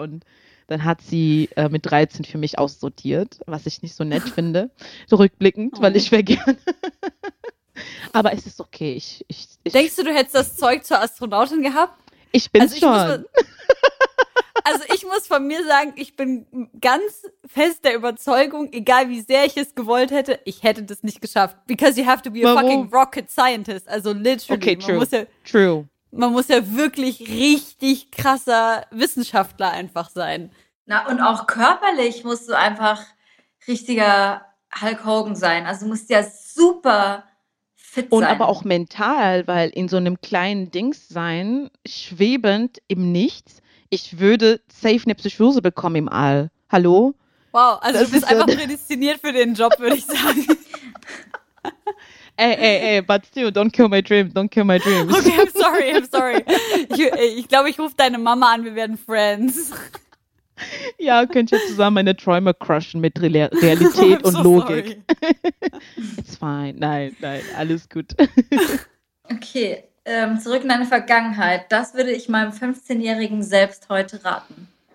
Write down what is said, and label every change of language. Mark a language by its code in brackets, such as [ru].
[de] Und dann hat sie mit 13 für mich aussortiert, was ich nicht so nett finde, rückblickend, oh. Weil ich wäre gerne. Aber es ist okay. Ich denkst du, du hättest das Zeug zur Astronautin gehabt? Ich bin's also, schon. Also ich muss von mir sagen, ich bin ganz fest der Überzeugung, egal wie sehr ich es gewollt hätte, ich hätte das nicht geschafft. [en] Because you have to be a fucking rocket scientist. Also literally. Okay, true. [de] Man muss ja wirklich richtig krasser Wissenschaftler einfach sein. Na und auch körperlich musst du einfach richtiger Hulk Hogan sein. Also du musst ja super fit sein. Und aber auch mental, weil in so einem kleinen Dings sein, schwebend im Nichts, ich würde safe eine Psychose bekommen im All. Hallo? Wow, also das du bist einfach prädestiniert für den Job, würde ich sagen. [en] Ey, but still, don't kill my dreams. Okay, I'm sorry. [de] Ich glaube, ich rufe deine Mama an, wir werden Friends. Ja, könnt ihr zusammen meine Träume crushen mit Realität und so Logik. Sorry. [en] It's fine, [de] nein, alles gut. Okay. Zurück in deine Vergangenheit. Das würde ich meinem 15-Jährigen selbst heute raten.